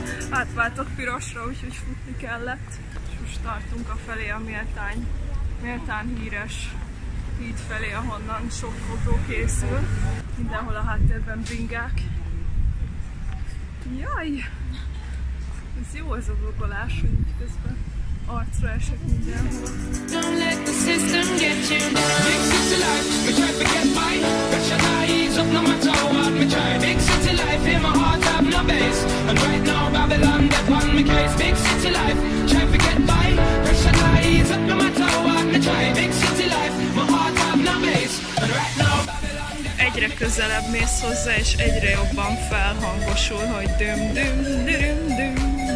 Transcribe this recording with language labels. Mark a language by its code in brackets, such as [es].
[hu] Átváltott pirosra, úgyhogy futni kellett. És most tartunk a felé a méltán híres híd felé, ahonnan sok fotó készül. Mindenhol a háttérben bringák. Jaj! Ez jó ez a vlogolás, hogy így közben arcra esek mindenhol. [en] Don't let the system get you down. Big city life, we try to get by. Pressure dies up no matter what we try. Big city life, in my heart have no base. And right now Babylon, that one me case. Big city life, try to get by. Pressure dies up no matter what we try. Big city life, my heart have no base. And right now Babylon. [hu] Egyre közelebb mész hozzá, és egyre jobban felhangosul, hogy düm düm düm düm.